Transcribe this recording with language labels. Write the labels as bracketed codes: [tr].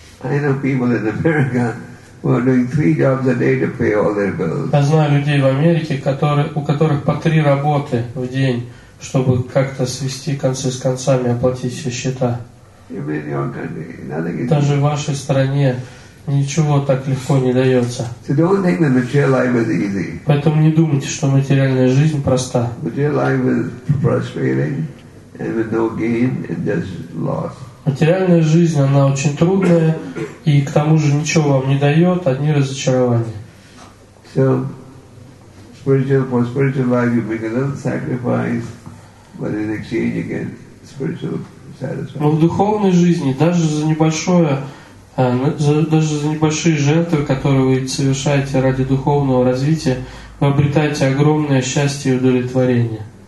[ru] Я знаю людей в Америке, у которых по три работы в день, чтобы как-то свести концы с концами, оплатить все счета. Даже в вашей стране ничего так легко не дается. [en] So don't think that material life is easy. [ru] Поэтому не думайте, что материальная жизнь проста. [en] Material life is frustrating and with no gain and just loss. [ru] Материальная жизнь, она очень трудная, и к тому же ничего вам не дает, одни разочарования. [en] So for spiritual life you make a little sacrifice, but in exchange you get spiritual. [ru] Но в духовной жизни даже за небольшие жертвы, которые вы совершаете ради духовного развития, вы обретаете огромное счастье и удовлетворение.